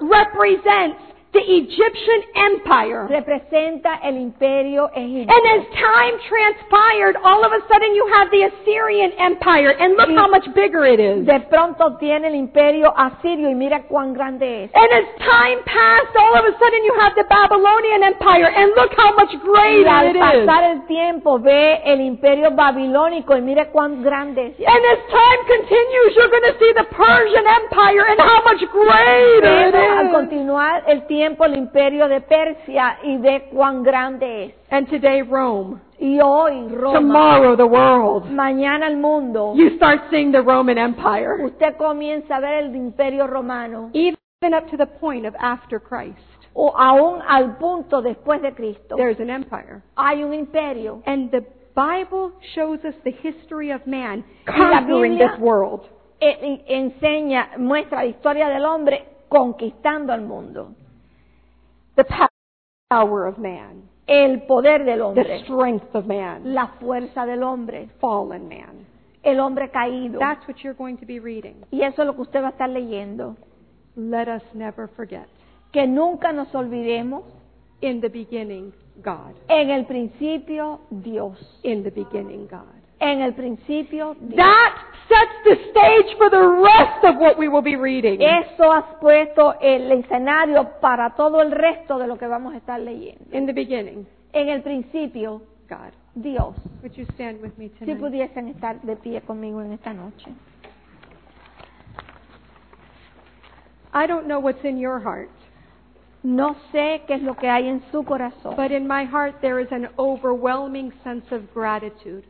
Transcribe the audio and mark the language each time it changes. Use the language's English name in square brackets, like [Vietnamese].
[English] represents the Egyptian Empire. [Spanish] Representa el Imperio Egipto. [English] And as time transpired, all of a sudden you have the Assyrian Empire, and look how much bigger it is. [Spanish] De pronto tiene el Imperio Asirio y mira cuán grande es. [English] And as time passed, all of a sudden you have the Babylonian Empire, and look how much greater it is. [Spanish] Y al pasar el tiempo ve el Imperio Babilónico y mira cuán grande es. [English] And as time continues, you're going to see the Persian Empire, and how much greater it is. [Spanish] Al continuar el tiempo el imperio de Persia y ve cuán grande es. [English] And today Rome. [Spanish] Y hoy Roma. [English] Tomorrow the world. [Spanish] Mañana el mundo. [English] You start seeing the Roman Empire. [Spanish] Usted comienza a ver el imperio romano. [English] Even up to the point of after Christ. [Spanish] O aún al punto después de Cristo. [English] There is an empire. [Spanish] Hay un imperio. [English] And the Bible shows us the history of man conquering this world. [Spanish] Enseña, muestra la historia del hombre conquistando al mundo. [English] The power of man. [Spanish] El poder del hombre. [English] The strength of man. [Spanish] La fuerza del hombre. [English] Fallen man. [Spanish] El hombre caído. [English] That's what you're going to be reading. [Spanish] Y eso es lo que usted va a estar leyendo. [English] Let us never forget. [Spanish] Que nunca nos olvidemos. [English] In the beginning, God. [Spanish] En el principio, Dios. [English] In the beginning, God. [Spanish] En el principio, Dios. [English] That sets the stage for the rest of what we will be reading. [Spanish] Eso ha puesto el escenario para todo el resto de lo que vamos a estar leyendo. [English] In the beginning. [Spanish] En el principio, [English] God. [Spanish] Dios. [English] Would you stand with me tonight? [Spanish] Si pudiesen estar de pie conmigo en esta noche. [English] I don't know what's in your heart. [Spanish] No sé qué es lo que hay en su corazón. [English] But in my heart there is an overwhelming sense of gratitude.